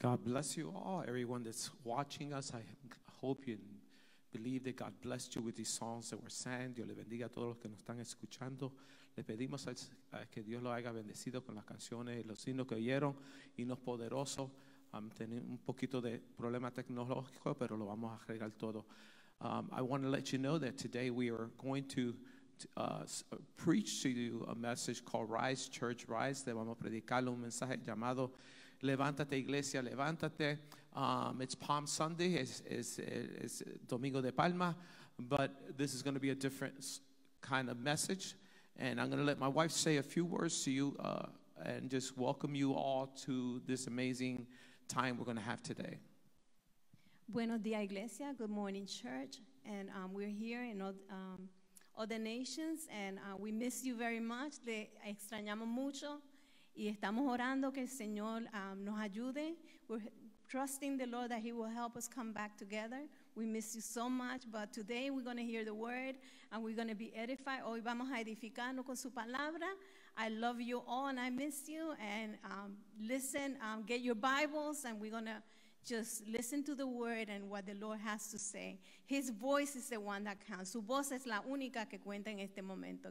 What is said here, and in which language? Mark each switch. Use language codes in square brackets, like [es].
[en] God bless you all, everyone that's watching us. Hope you believe that God blessed you with these songs that were sang. [es] Dios le bendiga a todos los que nos están escuchando. Le pedimos que Dios lo haya bendecido con las canciones y los himnos que oyeron. Y nos poderoso. Tenemos un poquito de problema tecnológico, pero lo vamos a arreglar todo. [en] I want to let you know that today we are going to preach to you a message called Rise Church Rise. [es] Le vamos a predicarle un mensaje llamado Levántate Iglesia, Levántate. [en] It's Palm Sunday, it's [es] Domingo de Palma, [en] but this is going to be a different kind of message, and I'm going to let my wife say a few words to you and just welcome you all to this amazing time we're going to have today. [es] Buenos días, Iglesia. [en] Good morning, church. And we're here in all the nations, and we miss you very much. [es] Le extrañamos mucho, y estamos orando que el Señor nos ayude. [en] Trusting the Lord that He will help us come back together. We miss you so much, but today we're going to hear the word and we're going to be edified. [es] Hoy vamos a edificarnos con su palabra. [en] I love you all and I miss you. And listen, get your Bibles and we're going to just listen to the word and what the Lord has to say. His voice is the one that counts. [es] Su voz es la única que cuenta en este momento.